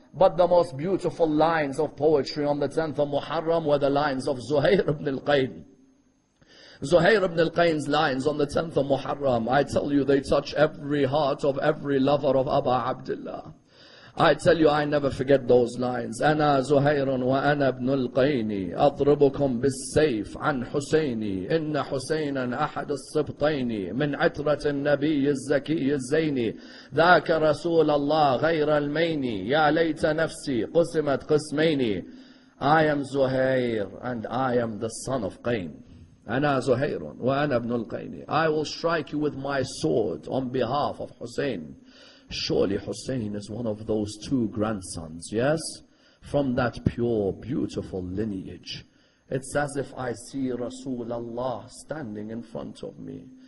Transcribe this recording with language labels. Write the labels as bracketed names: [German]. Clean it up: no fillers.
[English] But the most beautiful lines of poetry on the 10th of Muharram were the lines of Zuhair ibn al-Qayn. Zuhair ibn al-Qayn's lines on the 10th of Muharram, I tell you, they touch every heart of every lover of Aba Abdullah. I tell you, I never forget those lines. [Arabic] أنا زهير وأنا ابن القيني أضربكم بالسيف عن حسيني إن حسينا أحد الصبطين من عترة النبي الزكي الزيني ذاك رسول الله غير الميني يا ليت نفسي قسمت قسميني. [English] I am Zuhair and I am the son of Qayn. [Arabic] أنا زهير وأنا ابن القيني. [English] I will strike you with my sword on behalf of حسين. Surely Hussein is one of those two grandsons, yes? From that pure, beautiful lineage. It's as if I see Rasulullah standing in front of me.